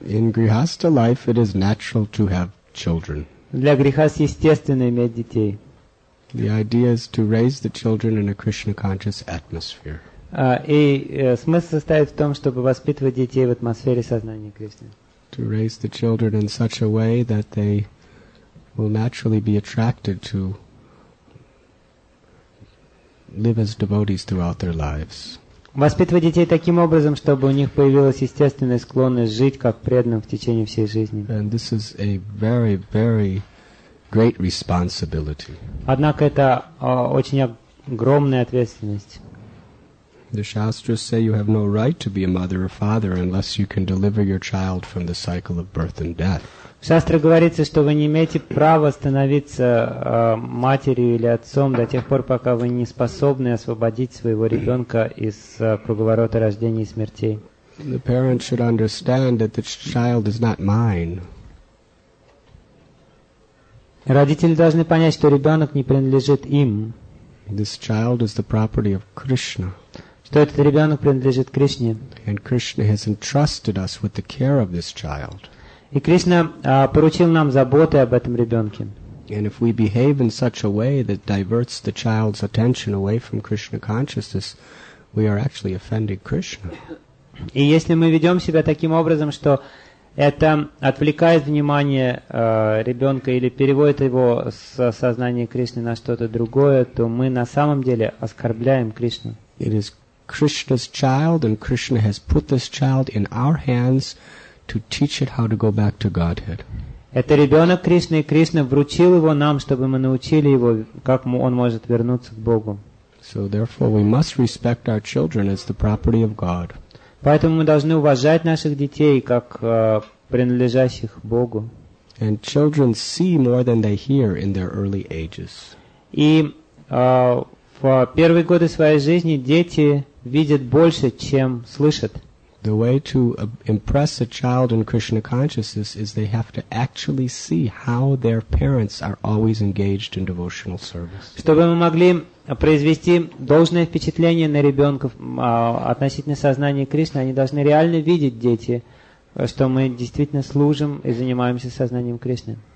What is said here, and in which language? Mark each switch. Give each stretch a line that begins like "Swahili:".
English: In grihastha life, it is natural to have children.
Russian: Для грихаста естественно иметь детей.
English: The idea is to raise the children in a Krishna conscious atmosphere.
Russian: Смысл состоит в том, чтобы воспитывать детей в атмосфере сознания Кришны.
English: To raise the children in such a way that they will naturally be attracted to live as devotees throughout their lives.
Russian: Воспитывать детей таким образом, чтобы у них появилась естественная склонность жить как преданным в течение всей жизни.
English: And this is a very, very great responsibility.
Russian: Однако это очень огромная ответственность.
English: The Shastras say you have no right to be a mother or father unless you can deliver your child from the cycle of birth and death.
Russian: В Шастрах говорится, что вы не имеете права становиться матерью или отцом до тех пор, пока вы не способны освободить своего ребенка из круговорота рождения и смертей.
English: The parents should understand that the child is not mine.
Russian: Родители должны понять, что ребенок не принадлежит им.
English: This child is the property of Krishna.
Russian: Что этот ребенок принадлежит Кришне.
English: And Krishna has entrusted us with the care of this child.
Russian: И Кришна поручил нам заботы об этом ребенке.
English: And if we behave in such a way that diverts the child's attention away from Krishna consciousness, we are actually offending Krishna.
Russian: И если мы ведем себя таким образом, что это отвлекает внимание ребенка или переводит его со сознания Кришны на что-то другое, то мы на самом деле оскорбляем Кришну.
English: Krishna's child, and Krishna has put this child in our hands to teach it how to go back to Godhead.
Russian: Это ребенок Кришны, и Кришна вручил его нам, чтобы мы научили его, как он может вернуться к Богу.
English: So therefore, we must respect our children as the property of God.
Russian: Поэтому мы должны уважать наших детей как принадлежащих Богу.
English: And children see more than they hear in their early ages.
Russian: И в первые годы своей жизни дети видят больше, чем слышат.
English: The way to impress a child in Krishna consciousness is they have to actually see how their parents are always engaged in devotional service.
Russian: Чтобы мы могли произвести должное впечатление на ребенка относительно сознания Кришны, они должны реально видеть, дети, что мы действительно служим и занимаемся сознанием Кришны.